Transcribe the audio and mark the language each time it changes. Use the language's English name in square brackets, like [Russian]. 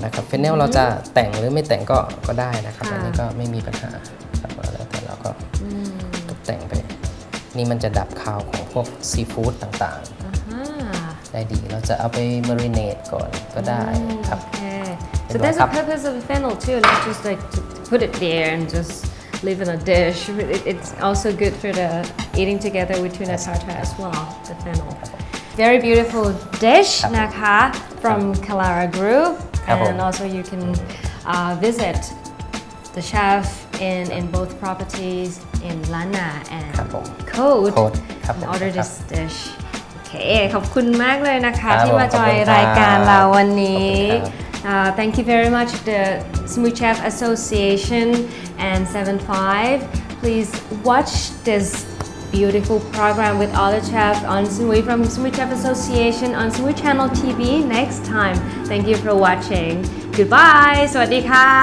[Thai] เป็นแนวเราจะแต่งหรือไม่แต่งก็ได้นะครับอันนี้ก็ไม่มีปัญหาครับแล้วแต่เราก็ ตกแต่งไปนี่มันจะดับคาวของพวกซีฟู้ดต่าง ๆ ได้ดีเราจะเอาไปมารีเนตก่อนก็ได้ครับ [English] so there's a purpose of fennel too not just like to put it there and just leave in a dish it's also good for the eating together with tuna tartar as well the fennel very beautiful dish นะคะ from Kalara Group and also you can visit the chef in both properties in Lanna and Code and order this dish [Thai] โอเคขอบคุณมากเลยนะคะที่มาจอยรายการเราวันนี้ [English] Thank you very much the Smooth Chef Association and 7-5. Please watch this beautiful program with all the chefs on Smooth from Smooth Chef Association on Smooth Channel TV next time. Thank you for watching. Goodbye. [Thai] สวัสดีค่ะ